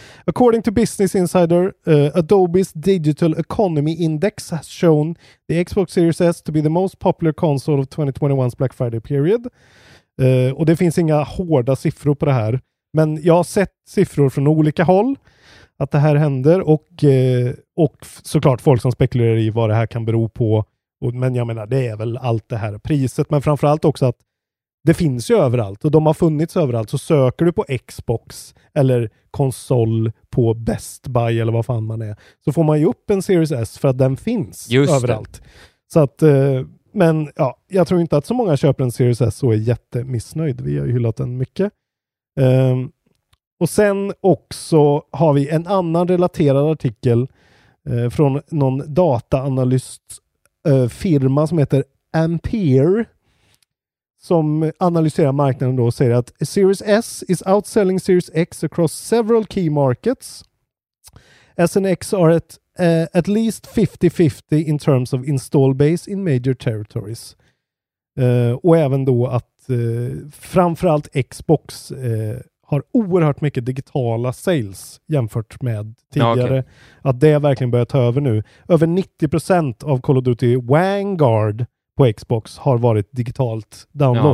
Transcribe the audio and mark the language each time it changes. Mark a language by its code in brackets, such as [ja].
[en] According to Business Insider, Adobe's Digital Economy Index has shown the Xbox Series S to be the most popular console of 2021's Black Friday period. [sv] Och det finns inga hårda siffror på det här. Men jag har sett siffror från olika håll att det här händer. Och såklart folk som spekulerar i vad det här kan bero på. Men jag menar, det är väl allt det här priset. Men framförallt också att Det finns ju överallt och de har funnits överallt. Så söker du på Xbox eller konsol på Best Buy eller vad fan man är, så får man ju upp en Series S för att den finns just överallt. Det. Så att, men ja, jag tror inte att så många köper en Series S och är jättemissnöjd. Vi har ju hyllat den mycket. Och sen också har vi en annan relaterad artikel från någon dataanalyst firma som heter Ampere, som analyserar marknaden då och säger att [en] Series S is outselling Series X across several key markets. S and X are at least 50-50 in terms of install base in major territories. [sv] Och även då att framförallt Xbox har oerhört mycket digitala sales jämfört med tidigare. Ja, okay. Att det verkligen börjar ta över nu. Över 90% av Call of Duty Vanguard på Xbox har varit digitalt download.